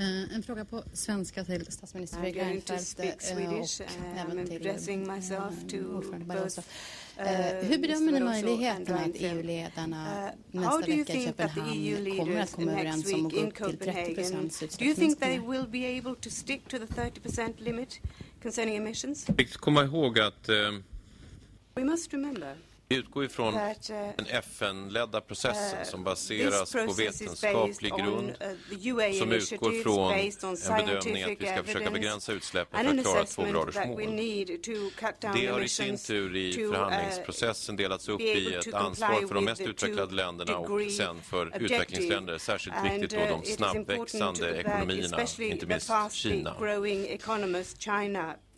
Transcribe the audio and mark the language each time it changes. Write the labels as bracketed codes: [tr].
[sv] En fråga på svenska till statsminister Fredrik Reinfeldt. [en] I'm going to speak Swedish and I'm addressing myself to both. [sv] Hur bedömer ni möjligheterna att EU-ledarna nästa vecka i Köpenhamn kommer att komma överens om att gå upp till 30% utsläppsminskning? [en] Do you think they will be able to stick to the 30% limit concerning emissions? [sv] Vi måste komma ihåg att [en] we must remember. [sv] utgår ifrån den FN-ledda processen som baseras på vetenskaplig grund, som utgår från en bedömning att vi ska försöka begränsa utsläppen för att klara 2-gradersmålen. Det har i sin tur i förhandlingsprocessen delats upp i ett ansvar för de mest utvecklade länderna och sen för utvecklingsländer, särskilt viktigt då de snabbväxande ekonomierna, inte minst Kina.